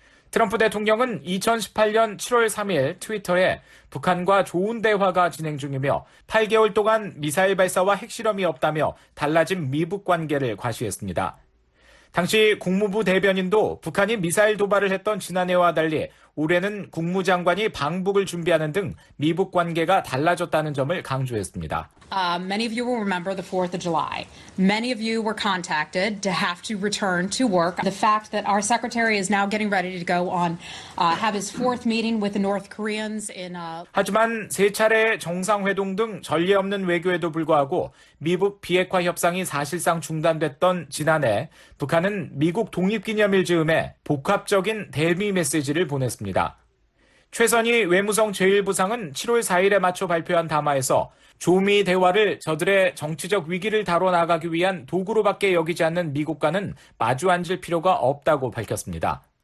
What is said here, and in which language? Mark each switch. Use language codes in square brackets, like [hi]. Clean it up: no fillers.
[ko] 트럼프 대통령은 2018년 7월 3일 트위터에 북한과 좋은 대화가 진행 중이며 8개월 동안 미사일 발사와 핵실험이 없다며 달라진 미북 관계를 과시했습니다. 당시 국무부 대변인도 북한이 미사일 도발을 했던 지난해와 달리 올해는 국무장관이 방북을 준비하는 등 미북 관계가 달라졌다는 점을 강조했습니다. [en] Many of you will remember the 4th of July. Many of you were contacted to have to return to work. The fact that our secretary is now getting ready to go on have his fourth meeting with the North Koreans in a [ko] 하지만 세 차례 정상회동 등 전례 없는 외교에도 불구하고 미북 비핵화 협상이 사실상 중단됐던 지난해 북한은 미국 독립기념일 즈음에 복합적인 대미 메시지를 보냈습니다. 최선희 외무성 제1부상은 7월 4일에 맞춰 발표한 담화에서 조미 대화를 저들의 정치적 위기를 다뤄나가기 위한 도구로밖에 여기지 않는 미국과는 마주 앉을 필요가 없다고 밝혔습니다.